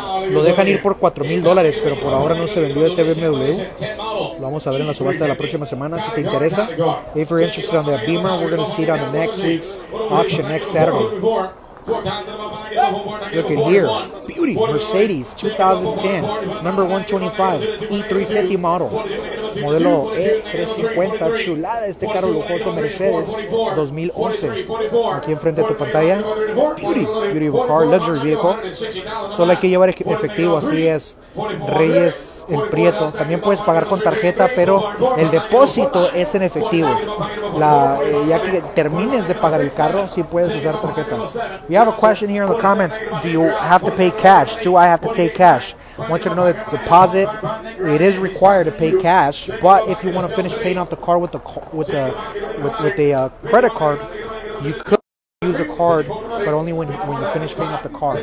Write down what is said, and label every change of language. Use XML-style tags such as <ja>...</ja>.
<es>Lo dejan ir por $4,000, pero por ahora no se vendió este BMW. Lo vamos a ver en la subasta de la próxima semana, si te interesa.</es> <en>If you're interested on the Beamer, we're going to see it on the next week's auction, next Saturday. Look at here. Beauty. Mercedes 2010. Number 125. E350 model.</en> <es>Modelo E350. Chulada este carro lujoso Mercedes 2011. Aquí enfrente de tu pantalla.</es> <en>Beauty. Beauty of a car. Luxury vehicle.</en> <es>Solo hay que llevar efectivo. Así es. Reyes el Prieto. También puedes pagar con tarjeta, pero el depósito es en efectivo. Ya que termines de pagar el carro, sí puedes usar tarjeta.</es> <en>We have a question here in the comments. Do you have to pay cash? Do I have to take cash? I want you to know that the deposit, it is required to pay cash. But if you want to finish paying off the car with a credit card, you could use a card, but only when you finish paying off the car.</en>